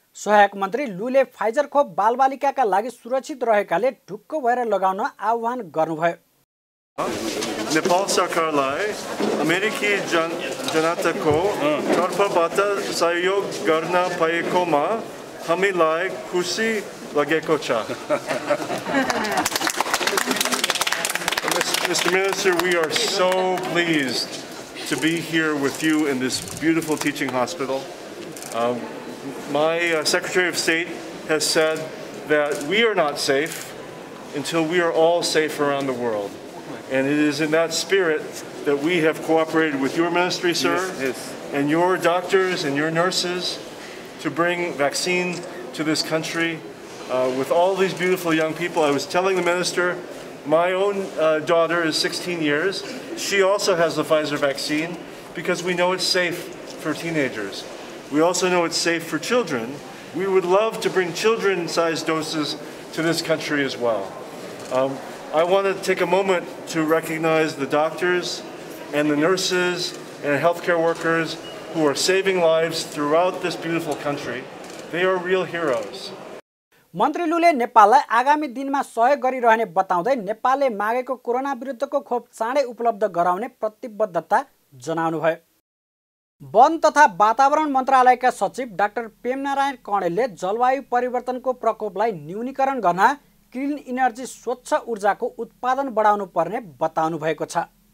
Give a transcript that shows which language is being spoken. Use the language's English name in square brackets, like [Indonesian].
[Nepali] सहायक मन्त्री लुले फाइजर खोप बालबालिकाका लागि सुरक्षित रहेकाले ढुक्क भएर लगाउन आह्वान गर्नुभयो। नेपाल सरकारलाई अमेरिकी जनताको तर्फबाट सहयोग गर्न पाएकोमा हामीलाई खुसी लागेको छ। [English] Mr. Minister, we are so pleased to be here with you in this beautiful teaching hospital. My Secretary of State has said that we are not safe until we are all safe around the world. And it is in that spirit that we have cooperated with your ministry, sir, yes, yes, and your doctors and your nurses to bring vaccines to this country with all these beautiful young people. I was telling the minister, my own daughter is 16 years. She also has the Pfizer vaccine because we know it's safe for teenagers. We also know it's safe for children. We would love to bring children-sized doses to this country as well. I want to take a moment to recognize the doctors and the nurses and healthcare workers who are saving lives throughout this beautiful country. They are real heroes. [Nepali] मन्त्री लुले नेपाललाई आगामी दिनमा सहयोग गरिरहने बताउँदै नेपालले मागेको corona विरुद्धको खोप चाँडै उपलब्ध गराउने प्रतिबद्धता जनाउनुभयो। वन तथा वातावरण मन्त्रालयका सचिव डाक्टर प्रेमनारायण कणेलले जलवायु परिवर्तनको प्रकोपलाई न्यूनीकरण गर्न ग्रिन इनर्जी स्वच्छ ऊर्जाको उत्पादन बढाउनु पर्ने बताउनु भएको छ।